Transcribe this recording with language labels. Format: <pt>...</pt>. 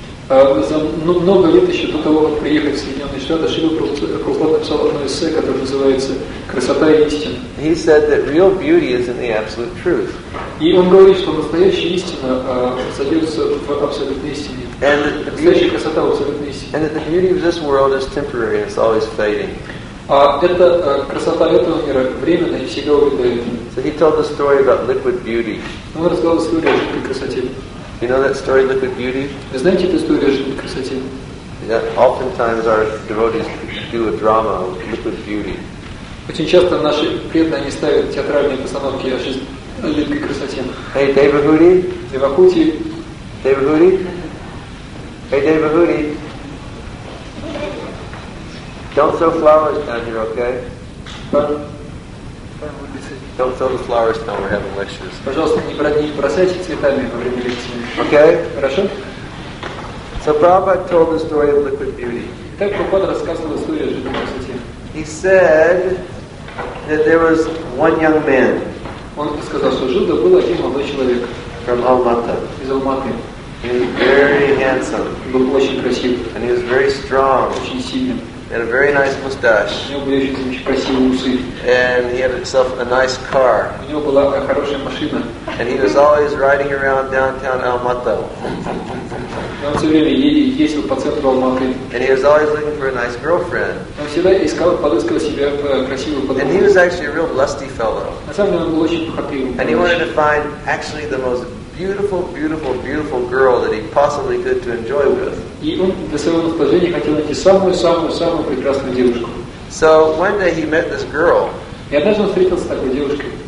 <ru>За много лет еще до того, как приехали в Соединенные Штаты, Шрила Прабхупада написал одно эссе, которое называется «Красота и истина».</ru> <en>He said that real beauty is in the absolute truth.</en> <ru>И он говорит, что настоящая истина содержится в абсолютной истине.</ru> <en>And</en> <ru>настоящая красота в абсолютной истине.</ru> <en>And that the beauty of this world is temporary, it's always fading.</en> <ru>А это красота этого мира временная и всегда убегает.</ru> <en>So he told the story about liquid beauty.</en> <ru>Он рассказал историю о жидкой красоте.</ru> <en>You know that story, Liquid Beauty?</en> <ru>Знаете эту историю о жидкой красоте?</ru> <en>Yeah, oftentimes our devotees do a drama of Liquid Beauty.</en> <ru>Очень часто наши преданные они ставят театральные постановки о жидкой красоте.</ru> <en>Hey, Devahuti. Devahuti. Devahuti. Hey, Devahuti. Don't throw flowers down here, okay? Don't throw the flowers when we're having lectures.</en> <ru>Пожалуйста, не бросайте цветами во время лекции.</ru> <en>Okay.</en> <ru>Хорошо.</ru> <en>So Prabhupada told the story of liquid beauty.</en> <ru>Так Прабхупада рассказывал историю о жидкой красоте.</ru> <en>He said that there was one young man.</en> <ru>Он сказал, что жил-то был один молодой человек.</ru> <en>From Almaty.</en> <ru>Из Алматы.</ru> <en>He was very handsome.</en> <ru>Был очень красив.</ru> <en>And he was very strong.</en> <ru>Очень сильным.</ru> <en>He had a very nice mustache.</en> <ru>У него были очень красивые усы.</ru> <en>And he had himself a nice car.</en> <ru>У него была хорошая машина.</ru> <en>And he was always riding around downtown Almaty.</en> <ru>Он все время ездил по центру Алматы.</ru> <en>And he was always looking for a nice girlfriend.</en> <ru>Он всегда искал, подыскивал себе красивую подругу.</ru> <en>And he was actually a real lusty fellow.</en> <ru>На самом деле он был очень похотливым.</ru> <en>And he wanted to find actually the most beautiful, beautiful, beautiful girl that he possibly could to enjoy with.</en> <ru>И он для своего наслаждения хотел найти самую-самую-самую прекрасную девушку.</ru> <en>So one day he met this girl.</en> <ru>И однажды он встретился с такой девушкой.</ru>